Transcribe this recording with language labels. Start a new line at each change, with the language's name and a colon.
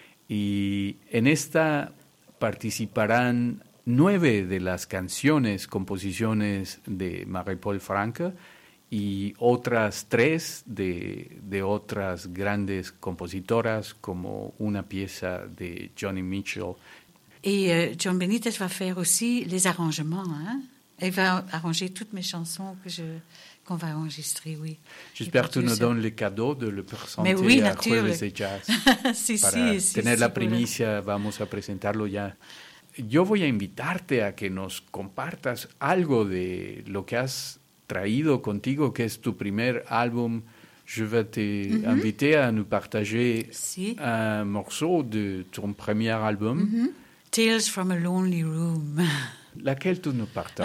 Spanish: Y en esta participarán 9 de las canciones, composiciones de Marie-Paul Franca y otras 3 de otras grandes compositoras, como una pieza de Joni Mitchell. Y John Benitez va a hacer
French: aussi les arrangements, hein. Il va arranger toutes mes chansons qu'on va enregistrer, oui. J'espère que tu nous donnes le cadeau de le présenter à Jueves de Jazz.
Spanish: Si, la primicia, vamos a presentarlo ya. Yo voy a invitarte a que nos compartas algo de lo que has traído contigo, que es tu primer álbum.
French: Je vais te inviter à nous partager un morceau de ton premier album.
English: Tales from a Lonely Room.
French: laquelle tu nous partages?